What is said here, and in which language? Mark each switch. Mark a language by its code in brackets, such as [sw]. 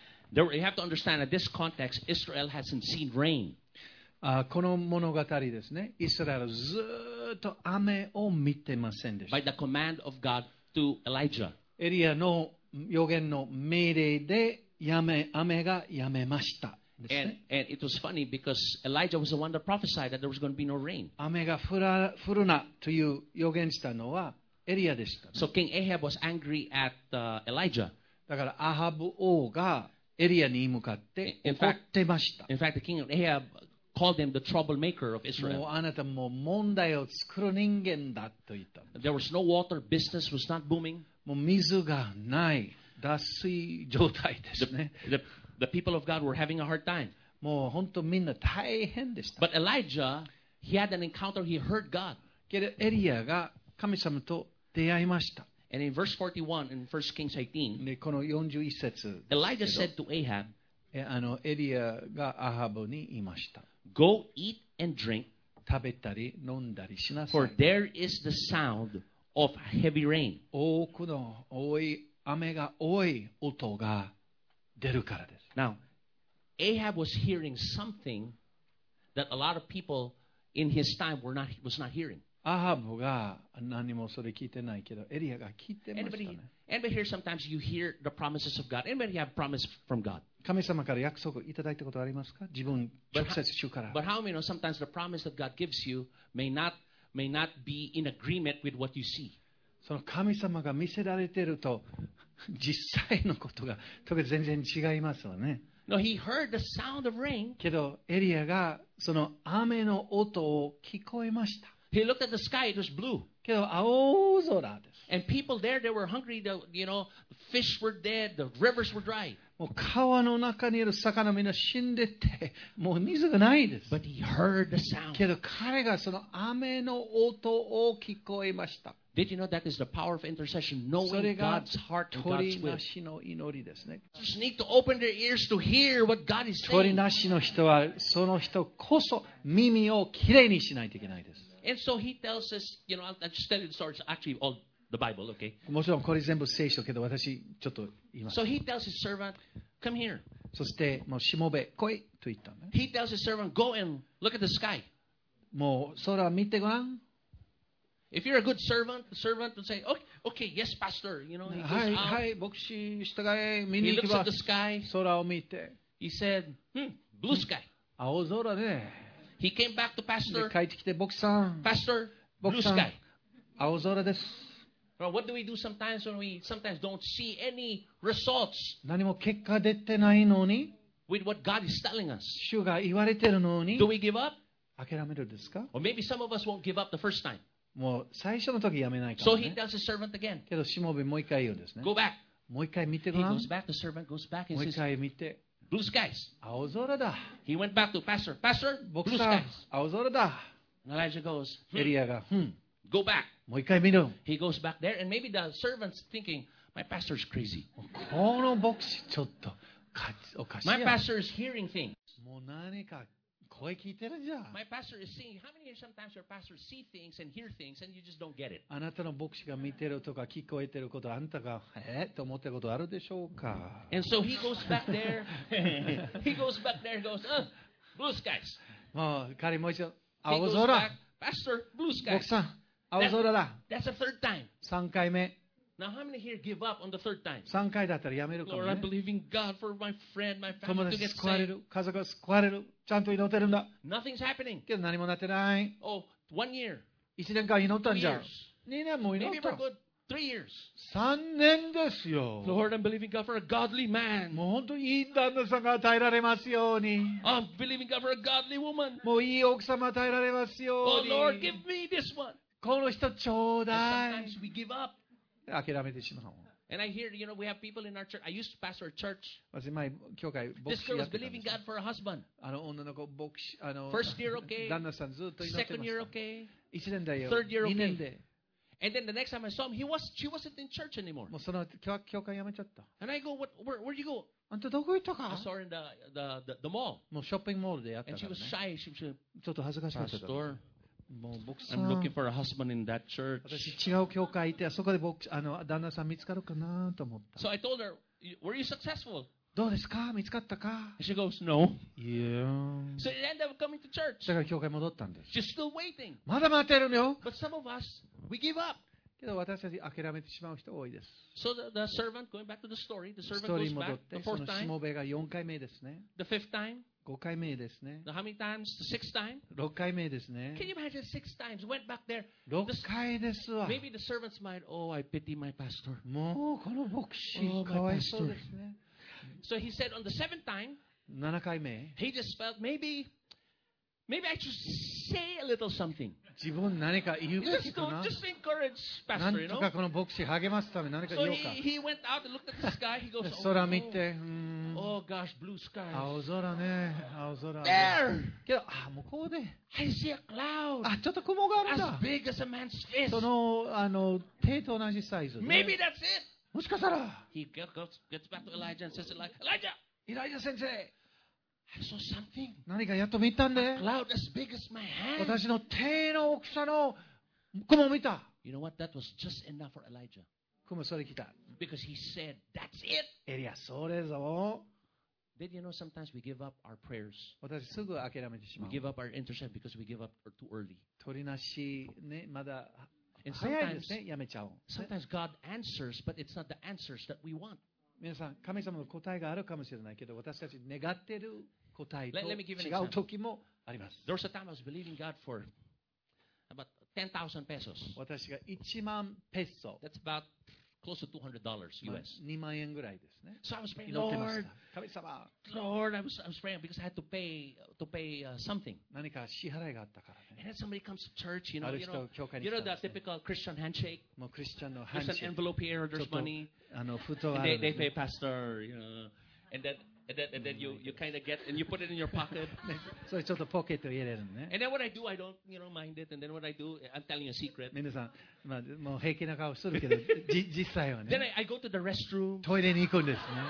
[en] There, you have to understand that this context, Israel hasn't seen rain. [ja] この物語ですね。イスラエルずっと雨を見てませんでした。 [en] By the command of God to Elijah. [ja] エリアの予言の命令で雨がやめました。 [en] And it was funny because Elijah was the one that prophesied that there was going to be no rain. [ja] 雨が降るなという予言したのはエリアでした、ね。 [en] So King Ahab was angry at Elijah. [ja] だからアハブ王がエリアに向かって怒ってました。 [en] In fact, the king of Ahab called him the troublemaker of Israel. [ja] もうあなたも問題を作る人間だと言った。 [en] There was no water, business was not booming. [ja] もう水がない、脱水状態ですね。 [en] The people of God were having a hard time. [ja] もう本当みんな大変でした。 [en] But Elijah, he had an encounter, he heard God. [ja] けどエリアが神様と出会いました。 [en] And in verse 41 in 1 Kings 18, [ja] でこの41節、 [en] Elijah said to Ahab, [ja] あのエリアがアハブに言いました。 [en] Go eat and drink, [ja] 食べたり飲んだりしなさい。 [en] For there is the sound of heavy rain. [ja] 多くの多い雨が多い音が出るからです。 [en] Now, Ahab was hearing something that a lot of people in his time was not hearing. [ja] アハブが何もそれ聞いてないけど、エリアが聞いてましたね。 [en] Anybody here sometimes you hear the promises of God? Anybody have promise from God? [ja] 神様から約束いただいたことありますか？自分直接主から。 [en] But how many know sometimes the promise that God gives you may not be in agreement with what you see? [ja] その神様が見せられてると、実際のことが特に全然違いますわね。 [en] No, he heard the sound of rain. [ja] けど、エリアがその雨の音を聞こえました。 [en] He looked at the sky, it was blue. [ja] けど青空です。 [en] And people there, they were hungry, the fish were dead, the rivers were dry. [ja] もう川の中にいる魚みんな死んでて、もう水がないです。 [en] But he heard the sound. [ja] けど彼がその雨の音を聞こえました。 [en] Did you know that is the power of intercession, knowing God's heart and God's will? [ja] 鳥なしの祈りですね。 [en] You just need to open their ears to hear what God is saying. [ja] 鳥なしの人は、その人こそ耳をきれいにしないといけないです。 [en] And so he tells us, I'll just tell you the story. It's actually all the Bible, okay? [ja] もちろんこれ全部聖書けど私ちょっと言います。 [en] So he tells his servant, come here. [ja] そしてもうしもべ来いと言ったね。 [en] He tells his servant, go and look at the sky. [ja] もう空見てごらん。 [en] If you're a good servant, the servant will say, okay, yes, pastor. He goes out. [ja] はい、牧師従え、見に行きます。 [en] He looks at the sky. [ja] 空を見て。 [en] He said, blue sky. [ja] 青空ね。 [en] He came back to pastor. [ja] 帰ってきて、牧師さん。 [en] Pastor, blue sky. [ja] 青空です。 [en] Well, what do we do sometimes when we sometimes don't see any results? [ja] 何も結果出てないのに。 [en] With what God is telling us. [ja] 主が言われてるのに。 [en] Do we give up? [ja] 諦めるですか? [en] Or maybe some of us won't give up the first time. [ja] もう最初の時やめないからね。 [en] So he tells his servant again. [ja] けどしもべもう一回言うんですね。 [en] Go back. [ja] もう一回見てごらん。 [en] He goes back. The servant goes back and says. [ja] もう一回見て。 [en] Blue skies. [ja] 青空だ。 [en] He went back to pastor. Pastor, blue skies. [ja] 青空だ。 [en] And Elijah goes. [ja] エリアが。 [en] Go back. [ja] もう一回見ろ。 [en] He goes back there, and maybe the servant's thinking, My pastor is crazy. [ja] この牧師ちょっとかおかしい。 [en] My pastor is hearing things. [ja] もう何か声聞いてるじゃん。 [en] My pastor is seeing. How many of you sometimes your pastor see things and hear things and you just don't get it? [ja] あなたの牧師が見てるとか聞こえてることあんたがと思ったことあるでしょうか。 [en] And so he goes back there. he goes back there and goes, blue skies. [ja] もう彼もう一度青空。 [en] Pastor, blue skies. [ja] 牧さん、青空だ。 [en] That's the third time. [ja] 三回目。 [en] Now, how many here give up on the third time? [ja] 3回だったらやめるかもね。 [en] Lord, I'm believing God for my friend, my family to get saved. [ja] 友達救われる、家族が救われる、ちゃんと祈ってるんだ。 [en] Nothing's happening. [ja] けど何もなってない。 [en] Oh, one year. [ja] 1年間祈ったんじゃん。 2 年も祈った。 [en] Maybe for good, 3 years. [ja] 3年ですよ。 [en] Lord, I'm believing God for a godly man. [ja] もう本当にいい旦那さんが与えられますように。 [en] I'm believing God for a godly woman. [ja] もういい奥様与えられますように。 [en] Oh, Lord, give me this one. [ja] この人ちょうだい。 [en] And sometimes we give up. [ja] 諦めてしまう。 [en] And I hear, you know, we have people in our church. I used to pastor a church. [ja] 私前教会牧師やってたんですよ。 [en] This girl was believing God for a husband. [ja] 女の子牧師、 [en] First year okay. [ja] 旦那さんずっと祈ってました。 [en] Second year okay. [ja] 一年だよ。 [en] Third year okay. [ja] 二年で。 [en] And then the next time I saw him, she wasn't in church anymore. [ja] もうその教会辞めちゃった。 [en] And I go, where'd you go? [ja] あんたどこ行ったか？ [en] I saw her in the mall. [ja] もうショッピングモールでやったからね。 [en] And she was shy. [ja] ちょっと恥ずかしかった。 [en] Pastor. [ja] もう牧師さん [en] I'm looking for a husband in that church. [ja] 私違う教会行ってそこで牧師旦那さん見つかるかなと思った。 [en] So I told her, were you successful? [ja] どうですか見つかったか [en] And she goes, no. Yeah. So it ended up coming to church. [ja] だから教会戻ったんです。 [en] She's still waiting. [ja] まだ待ってるよ。 [en] But some of us, we give up. [ja] けど私たち諦めてしまう人多いです。 [en] So the servant, going back to the story, the servant goes back the fourth time. [ja] そのしもべが4回目ですね。 [en] The fifth time. [ja] 5回目ですね。 [en] How many times? The sixth time? [ja] 6回目ですね。 [en] Can you imagine six times? Went back there. [ja] 6回ですわ。 [en] Maybe the servants might, oh, I pity my pastor. [ja] もうこの牧師、かわいそうですね。 [en] So he said on the seventh time, [ja] 7回目、 [en] he just felt maybe I should say a little something. [ja] 自分何か言うべきかな。 [en] Just encourage pastor, you know? [ja] なんとかこの牧師励ますため何か言おうか。 [en] So he went out and looked at the sky. He goes, [ja] 空見て、 [en] Oh gosh, blue skies. [ja] 青空ね、青空。 [en] There. [ja] けど、あ、向こうで。 [en] I see a cloud. [ja] あ、ちょっと雲があるんだ。 [en] As big as a man's fist. [ja] その手と同じサイズ。 [en] Maybe that's it. [ja] もしかしたら。 [en] He gets back to Elijah and says, Elijah. [ja] Elijah 先生。 [en] I saw something. [ja] 何かやっと見たんで。 [en] A cloud as big as my hand. [ja] 私の手の大きさの雲を見た。 [en] You know what? That was just enough for Elijah. [ja] 雲それ来た。 [en] Because he said, that's it. [ja] エリア、それぞ。 [en] Did you know sometimes we give up our prayers? [ja] 私すぐ諦めてしまう。 [en] We give up our intercession because we give up too early. [ja] 取りなしね、まだ早いですね、やめちゃおう。 [en] Sometimes God answers, but it's not the answers that we want. [ja] 皆さん、神様の答えがあるかもしれないけど、私たち願ってる答えと違う時もあります。 [en] There was a time I was believing God for about 10,000 pesos. [ja] 私が1万ペソ。 [en] That's aboutclose to $200 US. [ja] 2万円ぐらいですね。 [en] So I was praying, Lord, Lord, I was praying because I had to pay something. [ja] 何か支払いがあったからね。 [en] And then somebody comes to church, you know the typical Christian handshake. [ja] もうクリスチャンのハンシェイク。 [en] There's an envelope here, there's money. [ja] 封筒がある。 [en] They pay pastor, you know. And then you kind of get and you put it in your pocket. [ja] So ちょっとポケットに入れるね。 [en] And then what I do, I don't, you know, mind it. And then what I do, I'm telling you a secret. [ja] 皆さん、まあもう平気な顔するけど、実際はね。 [en] Then I go to the restroom. [ja] トイレに行くんですね。